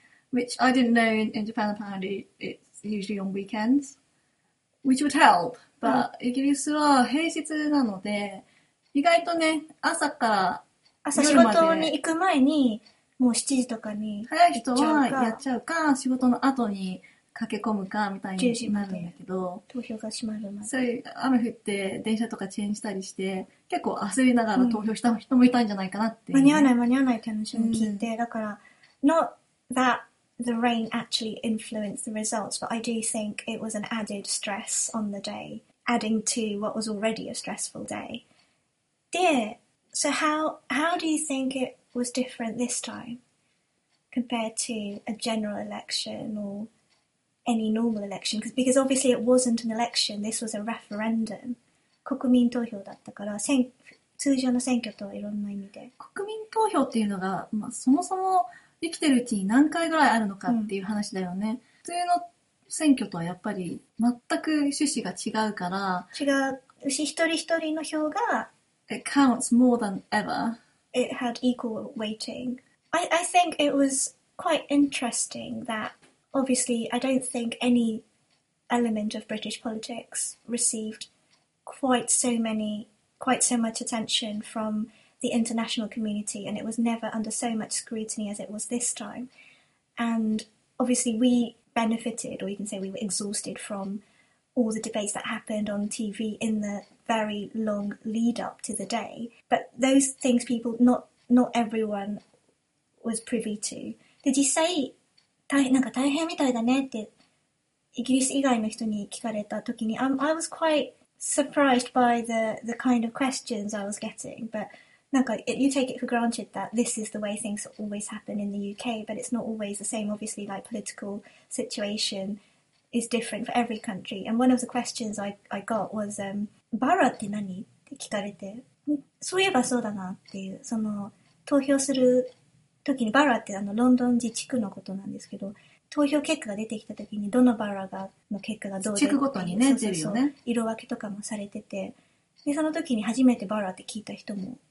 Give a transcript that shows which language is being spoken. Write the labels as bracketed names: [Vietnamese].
[English] Which I didn't know in Japan, apparently it's usually on weekends, which would help, but [Japanese] イギリスは平日なので、意外とね、朝から夜まで朝仕事に行く前にもう7時とかに早い人はやっちゃうか仕事の後に駆け込むかみたいになるんだけど投票が閉まるまでそういう雨降って電車とか遅延したりして結構焦りながら投票した人もいたんじゃないかなって、ね、間に合わないって話も聞いて、うん、だから [English] Not that the rain actually influenced the results but I do think it was an added stress on the day adding to what was already a stressful daySo how do you think it was different this time compared to a general election or any normal election? Because obviously it wasn't an election, this was a referendum. [Japanese] 国民投票だったから、通常の選挙とはいろんな意味で。国民投票っていうのが、まあ、そもそも生きてるうちに何回ぐらいあるのかっていう話だよね。普通の選挙とはやっぱり全く趣旨が違うから。違う。うち一人一人の票が、 [English] It counts more than ever. It had equal weighting. I think it was quite interesting that obviously I don't think any element of British politics received quite so much attention from the international community and it was never under so much scrutiny as it was this time. And obviously we benefited, or you can say we were exhausted from all the debates that happened on TV in the very long lead up to the day. But those things people, not everyone was privy to. [Japanese] で、実際、なんか大変みたいだねって、イギリス以外の人に聞かれた時に、 [English] I was quite surprised by the kind of questions I was getting. But なんか、you take it for granted that this is the way things always happen in the UK, but it's not always the same, obviously, like political situation. Is different for every country. And one of the questions I got was, Barra [Japanese] って何? って聞かれて、そういえばそうだなっていう、その投票する時にバラってロンドン自治区のことなんですけど、投票結果が出てきた時にどのバラがの結果がどうで、地区ごとにね、そうそうそう、出るよね、色分けとかもされてて、でその時に初めてバラって聞いた人も、